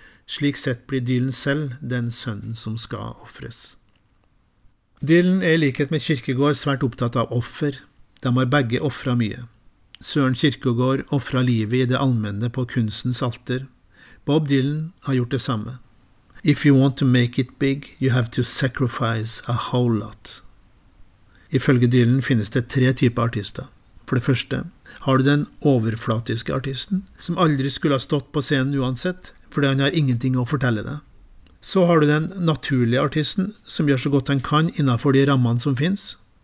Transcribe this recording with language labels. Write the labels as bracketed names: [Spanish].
[Norwegian] Slik sett blir Dylan selv den sønnen som skal offres. Dylan er i likhet med Kirkegård svært opptatt av offer. De har begge offret mye. Søren Kirkegård offret livet i det allmenne på kunstens alter. Bob Dylan har gjort det samme. [English] If you want to make it big, you have to sacrifice a whole lot. [Norwegian] Ifølge Dylan finnes det tre typer artister. For det første, har du den overflatiske artisten, som aldri skulle ha stått på scenen uansett, fordi han har ingenting å fortelle deg. Så har du den naturlige artisten, som gjør så godt han kan innenfor de rammene som finnes.